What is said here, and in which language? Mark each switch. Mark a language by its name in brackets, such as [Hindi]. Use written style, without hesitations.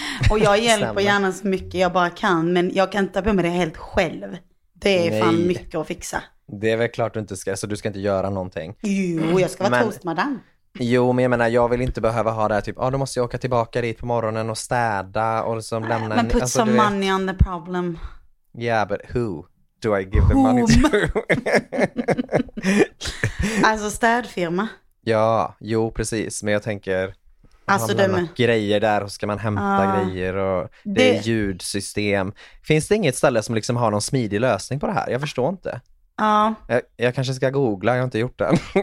[Swedish] Och jag hjälper gärna så mycket jag bara kan, men jag kan inte ta på mig det helt själv. Det är fan mycket att fixa. Det är väl klart du inte ska, alltså du ska inte göra någonting. Jo, jag ska vara toastmadam. Jo, men jag menar, jag vill inte behöva ha det här typ, då måste jag åka tillbaka dit på morgonen och städa och liksom lämna. Men [English] put some money on the problem. Yeah, but who do I give the money to? [Swedish] Alltså städfirma. Ja, jo, precis. Men jag tänker, alltså, har man med grejer där och ska man hämta grejer och det är ljudsystem. Finns det inget ställe som liksom har någon smidig lösning på det här? Jag förstår inte. Jag kanske ska googla, jag har inte gjort den.